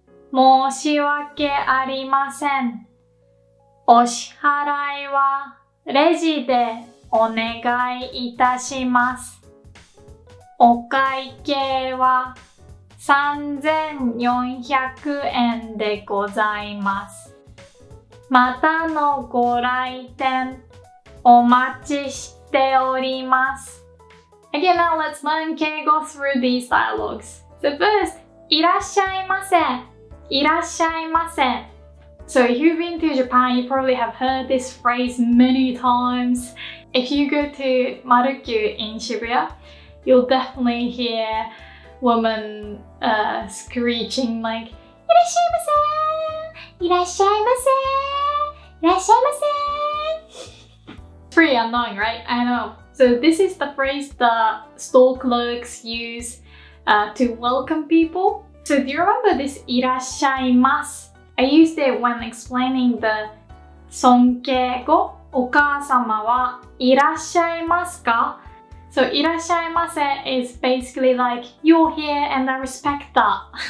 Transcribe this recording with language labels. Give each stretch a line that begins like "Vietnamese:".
Japanese: 申し訳ありません、お支払いはレジでお願いいたします。お会計は3400円でございます。またのご来店お待ちしております。
English: Again, now let's learn 敬語 through these dialogues. So first,
Japanese: いらっしゃいませ、いらっしゃいませ。
English: So if you've been to Japan, you probably have heard this phrase many times. If you go to Marukyu in Shibuya, you'll definitely hear women screeching like
Japanese: いらっしゃいませ、いらっしゃいませ、いらっしゃいませ。
English: Pretty annoying, right? I know. So this is the phrase that store clerks use to welcome people. So do you remember this irashaimasu? I used it when explaining the sonkeigo
Japanese: お母様はいらっしゃいますか?
English: So, いらっしゃいませ is basically like, you're here and I respect that.